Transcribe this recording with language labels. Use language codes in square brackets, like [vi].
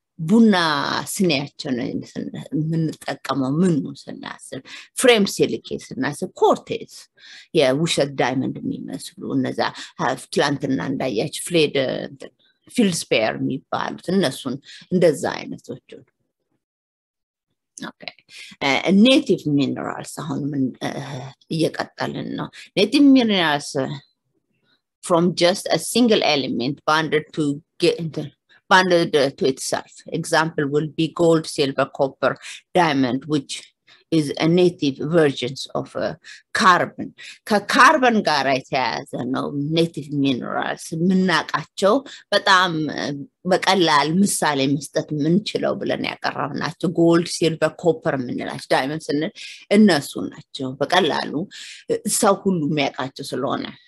[am] ቡና ስኒያቸው ነው የምንጠቀመው። ምኑ ስናስብ ፍሬም ሲሊኬት ስናስብ ኮርቴዝ የውሸት ዳይመንድ የሚመስሉ እነዛ ትላንትና እንዳያች ፍሌድ ፊልስፔር የሚባሉት እነሱን እንደዛ አይነቶች [en] ኔቲቭ ሚኔራልስ። [am] አሁን እየቀጠልን ነው። [en] ኔቲቭ ሚኔራልስ ፍሮም ጀስት አ ሲንግል ኤሌመንት ባንደር ቱ bonded to itself. Example will be gold, silver, copper, diamond, which is a native versions of carbon. [am] ከካርበን ጋር የተያያዘ ነው ኔቲቭ ሚኔራልስ የምናውቃቸው በጣም በቀላል ምሳሌ መስጠት የምንችለው ብለን ያቀረብናቸው ጎልድ፣ ሲልቨር፣ ኮፐር የምንላቸው ዳይመንድ ስንል እነሱ ናቸው። በቀላሉ ሰው ሁሉ የሚያውቃቸው ስለሆነ